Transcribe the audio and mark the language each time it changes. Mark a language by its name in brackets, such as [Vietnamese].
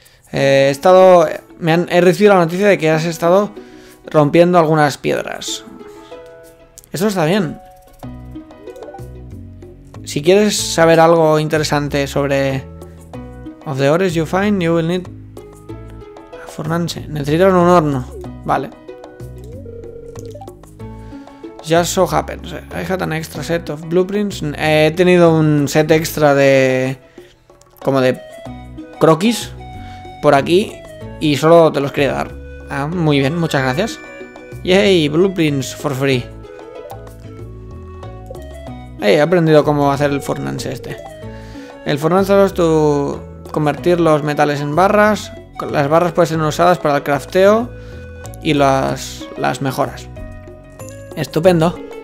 [Spanish] He estado... he recibido la noticia de que has estado rompiendo algunas piedras. Eso está bien. Si quieres saber algo interesante sobre... [English] of the ores you find, you will need... a furnace. [Spanish] Necesitan un horno. Vale. [English] Just so happens. I had an extra set of blueprints. [Spanish] He tenido un set extra de... como de... croquis. Por aquí. Y solo te los quería dar. Ah, muy bien, muchas gracias. [English] Yay, blueprints for free. [Spanish] Hey, he aprendido cómo hacer el furnace este. El furnace es tu... convertir los metales en barras. Las barras pueden ser usadas para el crafteo. Y las mejoras. Estupendo.